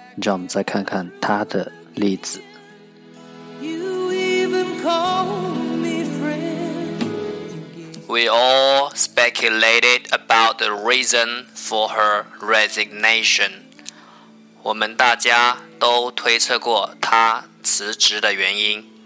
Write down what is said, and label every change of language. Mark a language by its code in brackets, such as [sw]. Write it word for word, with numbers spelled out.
[zh] 让我们再看看它的例子。 [en] We all speculated about the reason for her resignation. [zh] 我们大家都推测过她辞职的原因。